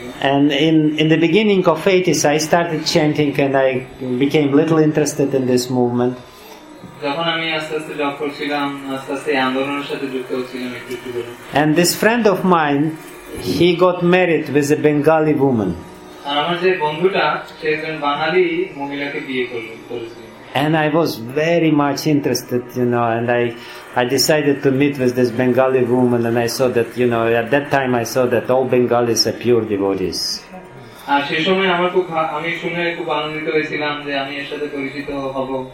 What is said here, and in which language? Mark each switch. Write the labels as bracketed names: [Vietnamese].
[English] And in the beginning of 80s, I started chanting and I became little interested in this movement. [Bangla] যখন আমি আস্তে আস্তে জপ করছিলাম, আস্তে আস্তে আন্দোলনের সাথে যুক্ত হচ্ছিলাম একটু একটু করে। [English] And this friend of mine, he got married with a Bengali woman. [Bangla] আর আমার যে বন্ধুটা, সে একজন বাঙালি মহিলাকে বিয়ে করেছিল। [English] And I was very much interested, you know, and I decided to meet with this Bengali woman, and I saw that, you know, at that time I saw that all Bengalis are pure devotees. [Bangla] আর সেই সময় আমার খুব, আমি শুনে খুব আনন্দিত হয়েছিলাম যে আমি এর সাথে পরিচিত হব।